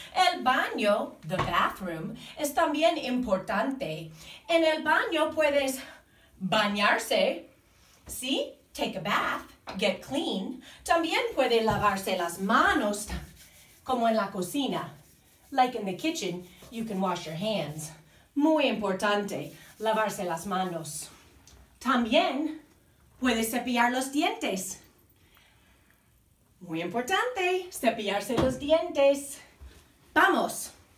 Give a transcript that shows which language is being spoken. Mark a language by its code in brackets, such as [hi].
[es] El baño, [en] the bathroom, [es] es también importante. En el baño puedes bañarse. Sí, [en] take a bath, get clean. [es] También puede lavarse las manos, como en la cocina. [en] Like in the kitchen, you can wash your hands. [es] Muy importante, lavarse las manos. También puede cepillar los dientes. Muy importante, cepillarse los dientes. ¡Vamos!